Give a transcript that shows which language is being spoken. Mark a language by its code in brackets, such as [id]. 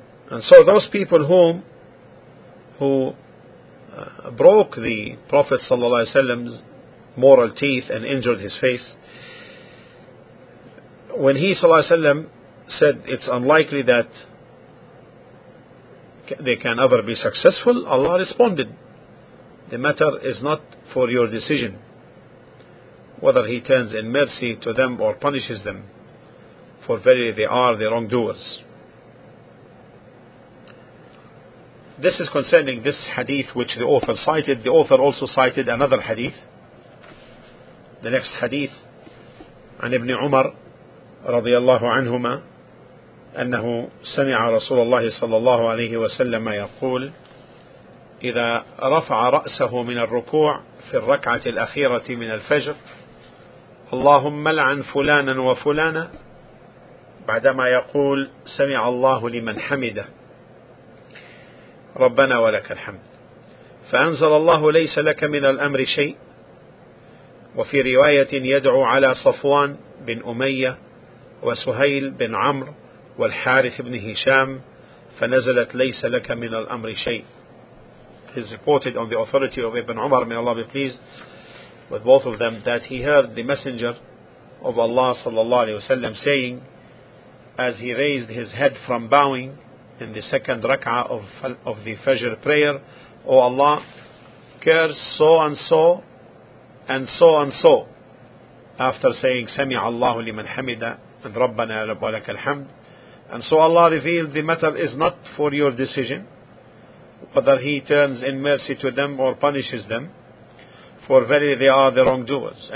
[en] And so those people who broke the Prophet ﷺ's moral teeth and injured his face, when he ﷺ said it's unlikely that they can ever be successful, Allah responded, the matter is not for your decision whether he turns in mercy to them or punishes them, for verily they are the wrongdoers. This is concerning this hadith which the author cited. The author also cited another hadith. [ar] The next hadith, عن ابن عمر رضي الله عنهما أنه سمع رسول الله صلى الله عليه وسلم يقول إذا رفع رأسه من الركوع في الركعة الأخيرة من الفجر اللهم لعن فلانا وفلانا بعدما يقول سمع الله لمن حمده ربنا ولك الحمد فأنزل الله ليس لك من الأمر شيء. وفي رواية يدعو على صفوان بن أمية وسهيل بن عمرو والحارث بن هشام فنزلت ليس لك من الأمر شيء. [en] He's reported on the authority of Ibn Umar, may Allah be pleased with both of them, that he heard the messenger of Allah sallallahu alayhi wa sallam saying, as he raised his head from bowing in the second rak'ah of the Fajr prayer, O Allah, curse so and so and so and so, after saying [ar] سَمِعَ اللَّهُ لِمَنْ حَمِدَ [en] and [ar] رَبَّنَا رَبَّ لَكَ الْحَمْدُ, [en] and so Allah revealed the matter is not for your decision whether he turns in mercy to them or punishes them, for verily they are the wrongdoers.